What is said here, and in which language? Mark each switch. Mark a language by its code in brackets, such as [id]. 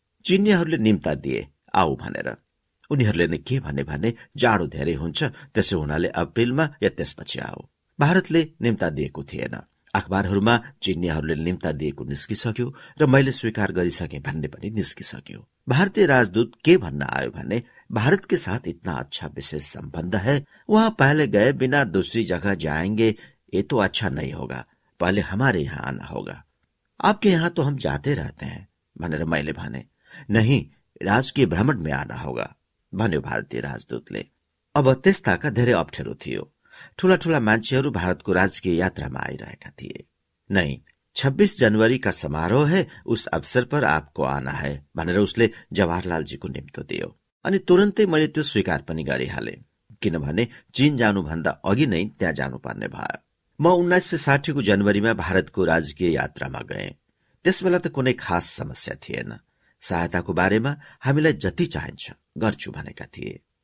[ne] चिनियाहरूले निम्ता दिए आऊ भनेर, उनीहरूले नै के भने भने, जाडो धेरै हुन्छ त्यसो हुनाले अप्रिलमा या त्यसपछि आऊ। भारतले निम्ता दिएको थिएन, अखबारहरूमा चिनियाहरूले निम्ता दिएको निस्किसक्यो र मैले स्वीकार गरिसके भन्ने पनि निस्किसक्यो। भारतीय राजदूत के भन्न आयो भने, [hi] भारतके साथ इतना अच्छा विशेष सम्बन्ध है, वहाँ पहले गए बिना दूसरी जगह जाएंगे, ये तो अच्छा नहीं होगा, पहले हमारे यहाँ आना होगा। आपके यहाँ तो हम जाते रहते हैं, माने रमैले भाने। नहीं, राजकीय भ्रमण में आना होगा, [ne] भन्यो भारतीय राजदूत ले। अब त्यस्ताका धेरै अप्ठ्यारो थियो। ठूला ठूला मान्छेहरू भारतको राजकीय यात्रामा आइरहेका थिए। [hi] नै 26 जनवरी का समारोह है, उस अवसर पर आपको आना है, [ne] भनेर उसले जवाहरलाल जी को निम्तो दियो। अनि तुरन्तै मैले त्यो स्वीकार पनि गरिहाले, किनभने चीन जानुभन्दा अघि नै त्यहाँ जानुपर्ने भयो। म 1960 को जनवरीमा भारतको राजकीय यात्रामा गए। त्यसबेला त कुनै खास समस्या थिएन, सहायताको बारेमा हामीलाई जति चाहिन्छ गर्छु भनेका थिए।